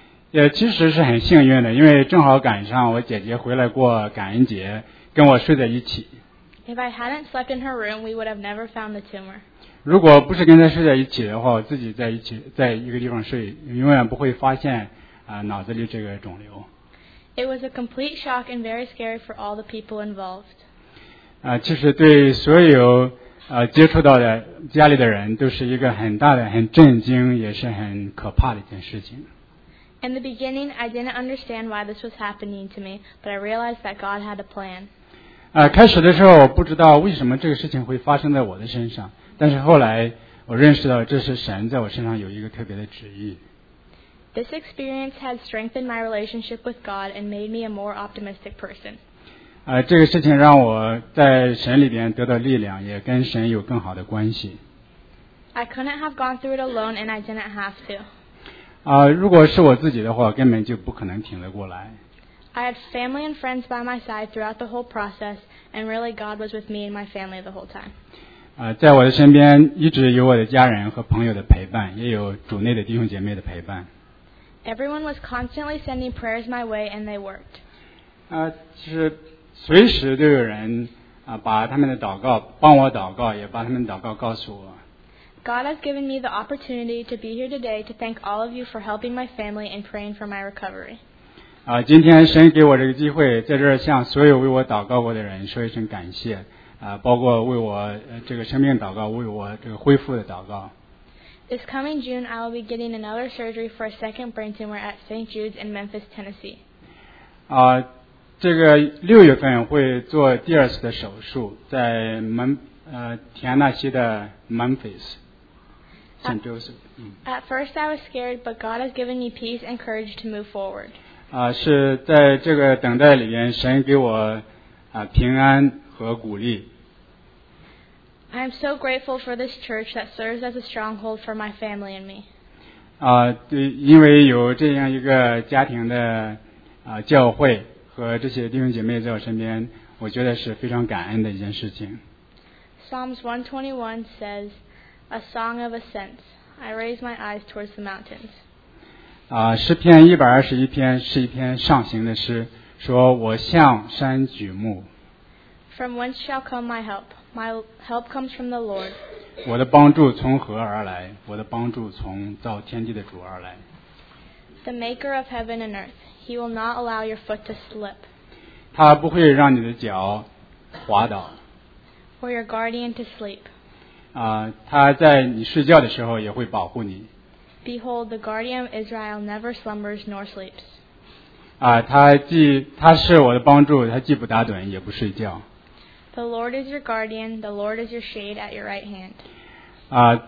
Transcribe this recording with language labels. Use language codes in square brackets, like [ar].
[zh] 也其实是很幸运的，因为正好赶上我姐姐回来过感恩节，跟我睡在一起。 [en] If I hadn't slept in her room, we would have never found the tumor. [zh] 如果不是跟她睡在一起的话，我自己在一起在一个地方睡，永远不会发现脑子里这个肿瘤。 [en] It was a complete shock and very scary for all the people involved. [zh] 其实对所有接触到的家里的人都是一个很大的很震惊也是很可怕的一件事情。 [en] In the beginning, I didn't understand why this was happening to me, but I realized that God had a plan. [zh] 开始的时候我不知道为什么这个事情会发生在我的身上，但是后来我认识到这是神在我身上有一个特别的旨意。 [en] This experience has strengthened my relationship with God and made me a more optimistic person. [zh] 这个事情让我在神里边得到力量，也跟神有更好的关系。 [en] I couldn't have gone through it alone and I didn't have to. [zh] 如果是我自己的话，根本就不可能挺得过来。 [en] I had family and friends by my side throughout the whole process, and really God was with me and my family the whole time. [zh] 在我的身边一直有我的家人和朋友的陪伴，也有主内的弟兄姐妹的陪伴。 [en] Everyone was constantly sending prayers my way and they worked. [zh] 其实随时都有人把他们的祷告帮我祷告，也把他们的祷告告诉我。 [en] God has given me the opportunity to be here today to thank all of you for helping my family and praying for my recovery. [zh] 今天神给我这个机会，在这儿向所有为我祷告过的人说一声感谢，包括为我这个生命祷告，为我这个恢复的祷告。 [en] This coming June, I will be getting another surgery for a second brain tumor at St. Jude's in Memphis, Tennessee. [zh] 这个六月份会做第二次的手术，在田纳西的 Memphis St. Joseph。 [en] At first I was scared, but God has given me peace and courage to move forward. [zh] 是在这个等待里边，神给我平安和鼓励。 [en] I am so grateful for this church that serves as a stronghold for my family and me. [zh] 对，因为有这样一个家庭的教会。和这些弟兄姐妹在我身边，我觉得是非常感恩的一件事情。 [en] Psalms 121 says, "A song of ascent. I raise my eyes towards the mountains." [zh] 诗篇121篇是一篇上行的诗，说我向山举目。 [en] From whence shall come my help? My help comes from the Lord. [zh] 我的帮助从何而来？我的帮助从造天地的主而来。 [en] The Maker of heaven and earth. He will not allow your foot to slip. [zh] 他不会让你的脚滑倒。 [en] Or your guardian to sleep. [zh] 他在你睡觉的时候也会保护你。 [en] Behold, the guardian of Israel never slumbers nor sleeps. [zh] 他是我的帮助，他既不打盹也不睡觉。 [en] The Lord is your guardian, the Lord is your shade at your right hand.